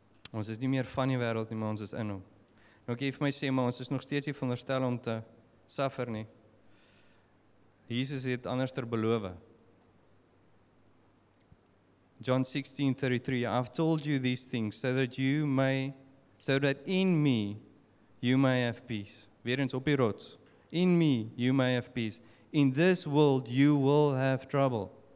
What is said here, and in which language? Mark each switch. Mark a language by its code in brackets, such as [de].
[af] Ons is nie meer van die wêreld nie, maar ons is in hom. Nou kan jy vir my sê, maar ons is nog steeds nie veronderstel om te suffer nie. Jesus het anders ter beloof. [en] John 16:33, I've told you these things so that you may, so that in me you may have peace. [af] Weerens op die rots. [en] In me you may have peace. In this world you will have trouble.